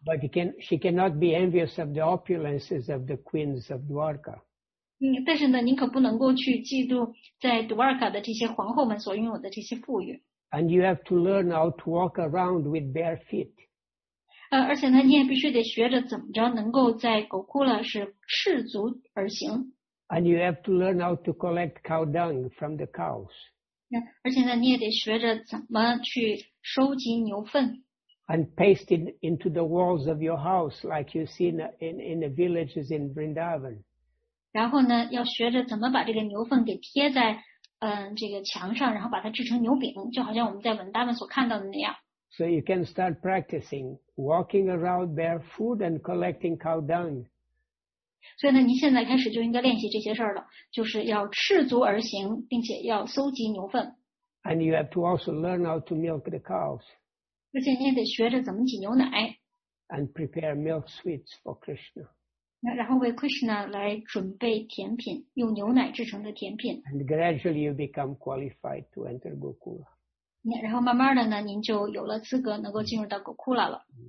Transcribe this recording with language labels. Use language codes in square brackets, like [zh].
[en] But she cannot be envious of the opulences of the queens of Dwarka. [zh] 但是呢，您可不能够去嫉妒在 Dwarka 的这些皇后们所拥有的这些富裕。 [en] And you have to learn how to walk around with bare feet. [zh] 而且呢，你也必须得学着怎么着能够在狗窟了是赤足而行。 [en] And you have to learn how to collect cow dung from the cows. [zh] 而且呢，你也得学着怎么去收集牛粪。 [en] And paste it into the walls of your house, like you see in the villages in Vrindavan. [zh] 然后呢，要学着怎么把这个牛粪给贴在这个墙上，然后把它制成牛饼，就好像我们在文达们所看到的那样。 [en] So you can start practicing walking around barefoot and collecting cow dung. [zh] 所以呢，您现在开始就应该练习这些事儿了，就是要赤足而行，并且要搜集牛粪。 [en] And you have to also learn how to milk the cows. [zh] 而且你也得学着怎么挤牛奶。 [en] And prepare milk sweets for Krishna. [zh] 然后为 Krishna 来准备甜品，用牛奶制成的甜品。 [en] And gradually you become qualified to enter Gokula. [zh] 然后慢慢的呢，您就有了资格能够进入到狗窟了。